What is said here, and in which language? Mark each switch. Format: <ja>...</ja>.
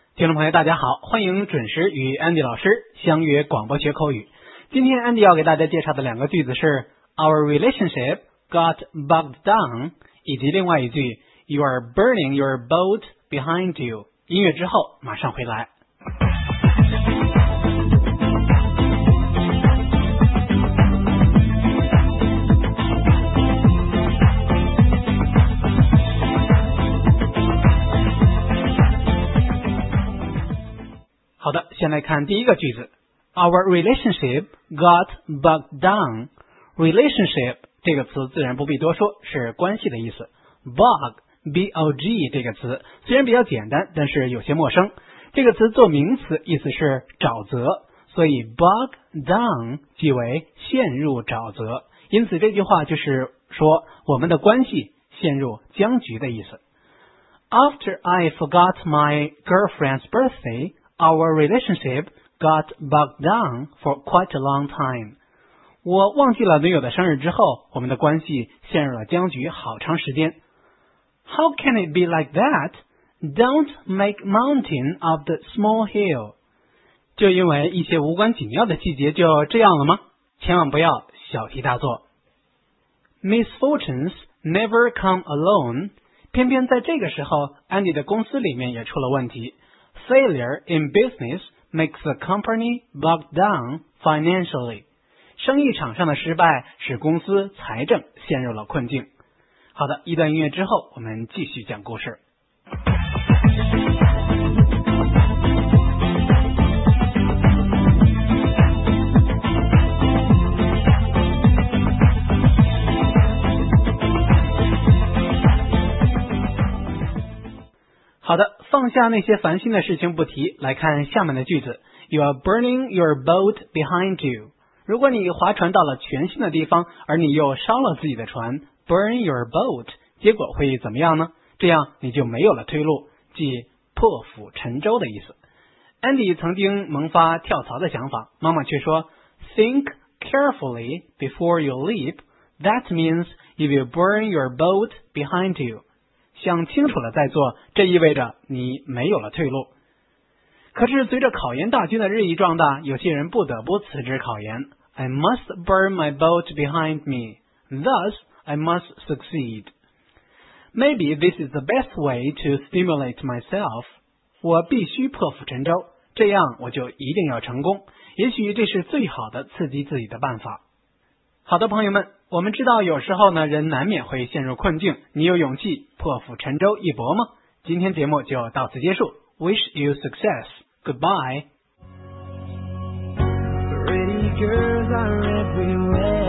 <zh>听众朋友大家好，欢迎准时与 Andy 老师相约广播学口语。今天 Andy 要给大家介绍的两个句子是</zh> <en>Our relationship got bogged down</en> <zh>以及另外一句</zh> <en>You are burning your boat behind you。</en> <zh>音乐之后马上回来。好的，先来看第一个句子。</zh> <en>Our relationship got bogged down。</en> <zh>Relationship 这个词自然不必多说，是关系的意思。 Bog B-O-G 这个词虽然比较简单，但是有些陌生。这个词做名词意思是沼泽，所以 bogged down 即为陷入沼泽，因此这句话就是说我们的关系陷入僵局的意思。</zh> <en>After I forgot my girlfriend's birthday,Our relationship got bogged down for quite a long time.</en> <zh>我忘记了女友的生日之后，我们的关系陷入了僵局好长时间。</zh> <en>How can it be like that? Don't make mountain of the small hill.</en> <zh>就因为一些无关紧要的细节就这样了吗？千万不要小题大做。</zh> <en>Misfortunes never come alone.</en> <zh>偏偏在这个时候，安迪的公司里面也出了问题。</zh> <en>Failure in business makes the company bogged down financially.</en> <zh>生意场上的失败使公司财政陷入了困境。好的，一段音乐之后我们继续讲故事。好的，放下那些烦心的事情不提，来看下面的句子。</zh> <en>You are burning your boat behind you.</en> <zh>如果你划船到了全新的地方，而你又烧了自己的船，</zh> <en>burn your boat，</en> <zh>结果会怎么样呢？这样你就没有了退路，即破釜沉舟的意思。 Andy 曾经萌发跳槽的想法，妈妈却说</zh> <en>Think carefully before you leap. That means you will burn your boat behind you.</en> <zh>想清楚了再做，这意味着你没有了退路。可是随着考研大军的日益壮大，有些人不得不辞职考研。</zh> <en>I must burn my boat behind me, thus I must succeed. Maybe this is the best way to stimulate myself.</en> <zh>我必须破釜沉舟，这样我就一定要成功，也许这是最好的刺激自己的办法。好的，朋友们，我们知道有时候呢，人难免会陷入困境，你有勇气破釜沉舟一搏吗？今天节目就到此结束。</zh> <en>Wish you success. Goodbye. Pretty girls are everywhere.</en>